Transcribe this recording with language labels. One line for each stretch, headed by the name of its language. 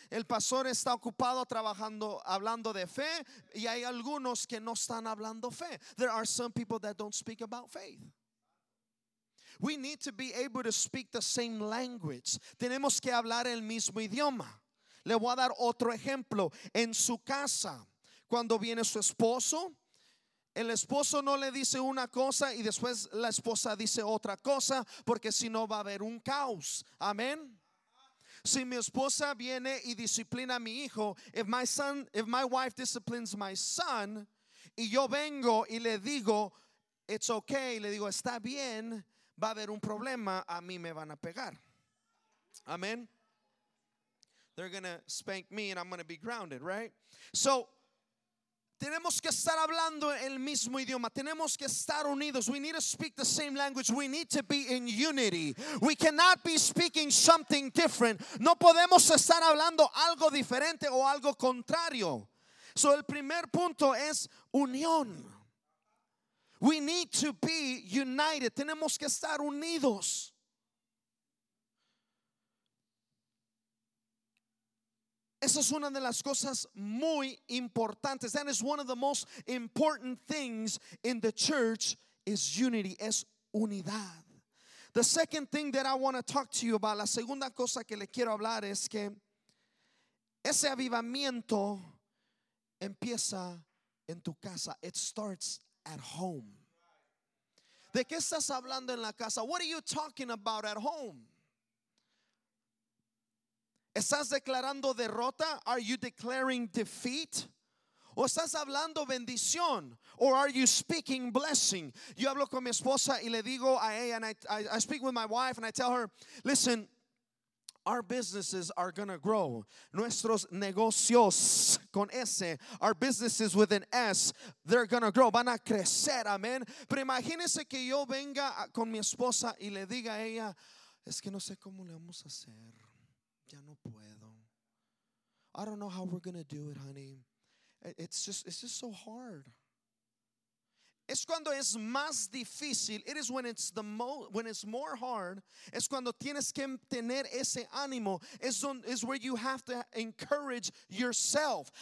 Spanish: El pastor está ocupado trabajando, hablando de fe. Y hay algunos que no están hablando fe.
English: There are some people that don't speak about faith. We need to be able to speak the same language.
Spanish: Tenemos que hablar el mismo idioma. Le voy a dar otro ejemplo. En su casa, cuando viene su esposo, el esposo no le dice una cosa y después la esposa dice otra cosa, porque si no va a haber un caos. Amén. Si mi esposa viene y disciplina a mi hijo,
English: if my wife disciplines my son,
Spanish: y yo vengo y le digo,
English: it's okay,
Spanish: le digo, está bien, va a haber un problema, a mí me van a pegar. Amén.
English: They're going to spank me and I'm going to be grounded, right?
Spanish: So, tenemos que estar hablando el mismo idioma. Tenemos que estar unidos.
English: We need to speak the same language. We need to be in unity. We cannot be speaking something different.
Spanish: No podemos estar hablando algo diferente o algo contrario. So, el primer punto es unión.
English: We need to be united.
Spanish: Tenemos que estar unidos. Esa es una de las cosas muy importantes.
English: That is one of the most important things in the church is unity,
Spanish: es unidad.
English: The second thing that I want to talk to you about,
Spanish: la segunda cosa que le quiero hablar es que ese avivamiento empieza en tu casa.
English: It starts at home.
Spanish: ¿De qué estás hablando en la casa?
English: What are you talking about at home?
Spanish: ¿Estás declarando derrota?
English: Are you declaring defeat?
Spanish: ¿O estás hablando bendición?
English: Or are you speaking blessing?
Spanish: Yo hablo con mi esposa y le digo a ella,
English: and I speak with my wife and I tell her, listen, our businesses are going to grow.
Spanish: Nuestros negocios con S,
English: our businesses with an S, they're going to grow.
Spanish: Van a crecer, amen. Pero imagínese que yo venga con mi esposa y le diga a ella, es que no sé cómo le vamos a hacer. Ya no puedo.
English: I don't know how we're going to do it, honey. It's just so hard.
Spanish: Es cuando es más difícil.
English: It is when it's more hard.
Spanish: Es cuando tienes que tener ese ánimo.
English: Es where you have to encourage yourself.